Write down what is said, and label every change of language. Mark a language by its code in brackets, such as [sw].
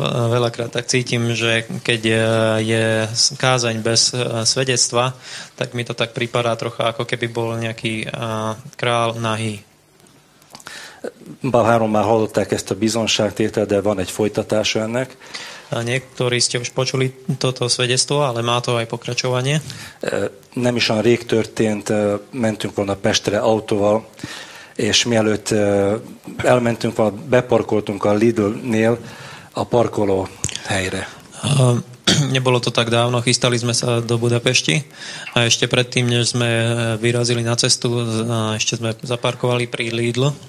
[sk] Veľakrát tak cítim, že keď je kázaň bez svedectva, tak mi to tak pripadá trocha, ako keby bol nejaký král nahý. [hu] Bahárom már hallották ezt a bizonságtétel, de van egy folytatása ennek. [sk] Niektorí ste už počuli toto svedectvo, ale má to aj pokračovanie. [hu] Nem is olyan rég történt, mentünk volna Pestre autóval, és mielőtt elmentünk, beparkoltunk a Lidl-nél a parkoló helyre. [sk] Nebolo to tak dávno, chystali sme sa do Budapešti a ešte predtým, než sme vyrazili na cestu, ešte sme zaparkovali pri Lidl.